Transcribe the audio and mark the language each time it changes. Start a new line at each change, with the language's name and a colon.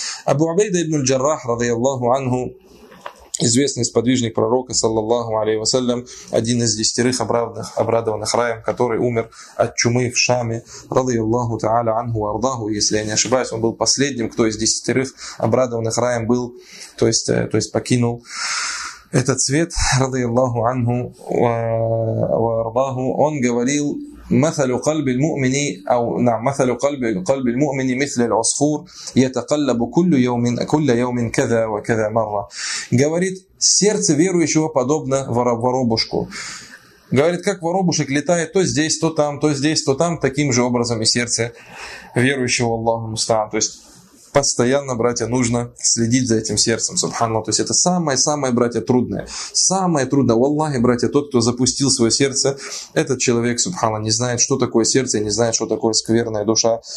Russian: Абу Убайда ибн аль-Джаррах, радиаллаху анху, известный сподвижник пророка, саллаллаху алейхи вассалям, один из 10 обрадованных раем, который умер от чумы в Шаме, радиаллаху тааля анху ардаху, если я не ошибаюсь, он был последним, кто из 10 обрадованных раем был, то есть покинул этот свет, радиаллаху анху ардаху. Он говорил:
Arabic: مثل قلب المؤمن او نعم مثل قلب المؤمن مثل العصفور يتقلب كل يوم كذا وكذا مره.
Russian: Говорит, сердце верующего подобно воробушку. Говорит, как воробушек летает то здесь, то там, то здесь, то там, таким же образом и сердце верующего, Аллаху мустаан. То есть постоянно, братья, нужно следить за этим сердцем, субханаллах. То есть это самое-самое, братья, трудное. Самое трудное, Аллахи, братья, тот, кто запустил свое сердце, этот человек, субханаллах, не знает, что такое сердце, не знает, что такое скверная душа.